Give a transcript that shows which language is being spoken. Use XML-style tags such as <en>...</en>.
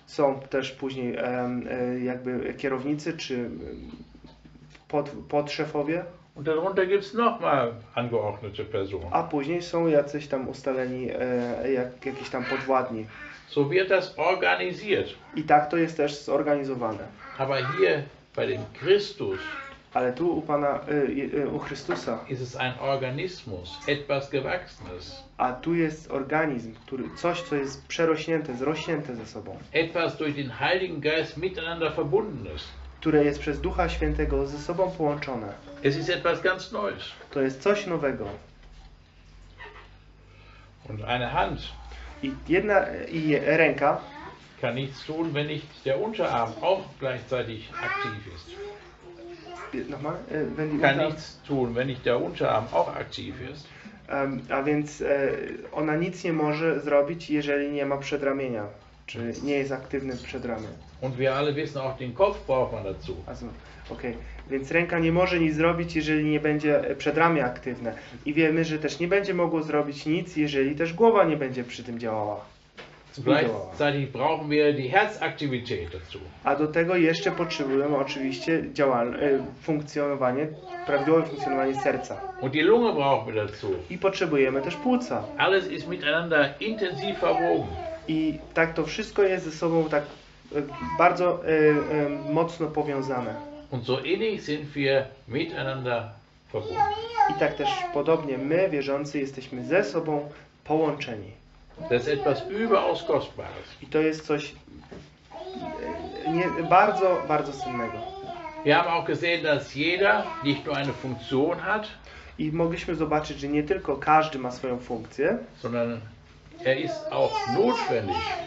<pl>Są też później jakby kierownicy czy podszefowie.</pl> <de>Und darunter gibt's noch mal angeordnete Personen.</de> <pl>A później są jacyś tam ustaleni, jakieś tam podwładni.</pl> <de>So wird das organisiert.</de> <pl>I tak to jest też zorganizowane.</pl> <de>Aber hier bei dem Christus.</de> <pl>Ale tu u Pana, u Chrystusa.</pl> <de>Ist es ein Organismus, etwas gewachsenes.</de> <pl>A tu jest organizm, który, coś, co jest przerośnięte, zrośnięte ze sobą.</pl> <de>Etwas durch den Heiligen Geist miteinander verbundenes.</de> <pl>Które jest przez Ducha Świętego ze sobą połączone.</pl> <de>Es ist etwas ganz Neues.</de> <pl>To jest coś nowego.</pl> <de>Und eine Hand.</de> <pl>I jedna i ręka.</pl> <de>Kann nichts tun, wenn nicht der Unterarm auch gleichzeitig aktiv ist. Nochmal, wenn die kann nichts tun, wenn nicht der Unterarm auch aktiv ist.</de> <pl>A więc ona nic nie może zrobić, jeżeli nie ma przedramienia. Czy nie jest aktywny przedramię.</pl> <de>Und wir alle wissen, auch den Kopf braucht man dazu. Also, okay.</de> <pl>Więc ręka nie może nic zrobić, jeżeli nie będzie przedramię aktywne. I wiemy, że też nie będzie mogło zrobić nic, jeżeli też głowa nie będzie przy tym działała.</pl> <de>Gleichzeitig brauchen wir die Herzaktivität dazu.</de> <pl>A do tego jeszcze potrzebujemy oczywiście funkcjonowanie, prawidłowe funkcjonowanie serca.</pl> <de>Und die Lunge brauchen wir dazu.</de> <pl>I potrzebujemy też płuca.</pl> <de>Alles ist miteinander intensiv verwoben.</de> <pl>I tak to wszystko jest ze sobą tak bardzo mocno powiązane.</pl> <de>Und so ähnlich sind wir miteinander verbunden.</de> <pl>I tak też podobnie my, wierzący, jesteśmy ze sobą połączeni.</pl> <de>Das ist etwas überaus kostbares.</de> <pl>I to jest coś bardzo, bardzo cennego.</pl> <de>Wir haben auch gesehen, dass jeder nicht nur eine Funktion hat.</de> <pl>I mogliśmy zobaczyć, że nie tylko każdy ma swoją funkcję,</pl> <de>sondern er ist auch notwendig.</de>